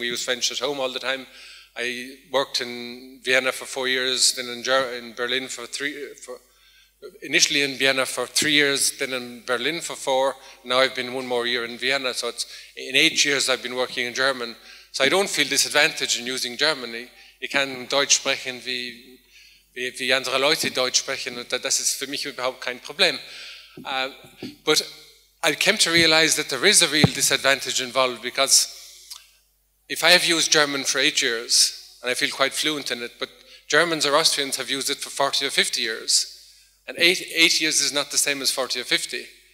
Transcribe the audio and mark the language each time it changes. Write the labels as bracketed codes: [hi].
[en] We use French at home all the time. I worked in Vienna for 4 years, then in Berlin for initially in Vienna for 3 years, then in Berlin for four. Now I've been one more year in Vienna. So it's in 8 years I've been working in German. So I don't feel disadvantaged in using German. [de] Ich kann Deutsch sprechen wie andere Leute Deutsch sprechen, und das ist für mich überhaupt kein Problem. [en] But I came to realize that there is a real disadvantage involved, because if I have used German for 8 years, and I feel quite fluent in it, but Germans or Austrians have used it for 40 or 50 years, and eight years is not the same as 40 or 50.